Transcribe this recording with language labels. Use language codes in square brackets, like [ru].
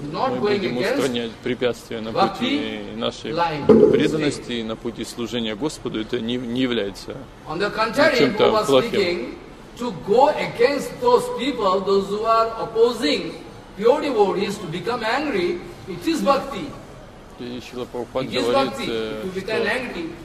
[ru] мы будем устранять препятствия на пути нашей преданности и на пути служения Господу, это не является чем-то плохим. [en] to go against those people, those who are opposing pure devotees, to become angry, it is bhakti. [ru] Шрила Прабхупада говорит, что